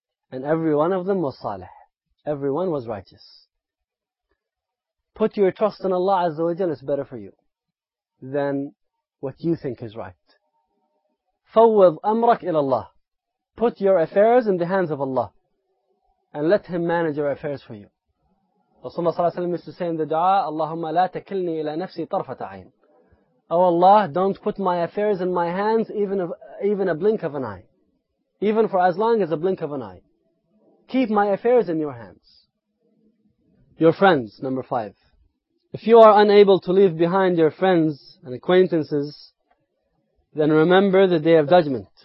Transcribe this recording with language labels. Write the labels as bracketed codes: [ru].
[en] And every one of them was salih. Everyone was righteous. Put your trust in Allah Azza wa Jalla, it's better for you than what you think is right. [ar] فَوَّضْ أَمْرَكْ إِلَى اللَّهِ. [en] Put your affairs in the hands of Allah and let Him manage your affairs for you. Rasulullah ﷺ used to say in the dua, [ar] اللهم لا تكلني إلى نفسي طرفة عين. [en] Oh Allah, don't put my affairs in my hands even a blink of an eye. Even for as long as a blink of an eye. Keep my affairs in your hands. Your friends, number 5. If you are unable to leave behind your friends and acquaintances, then remember the Day of Judgment.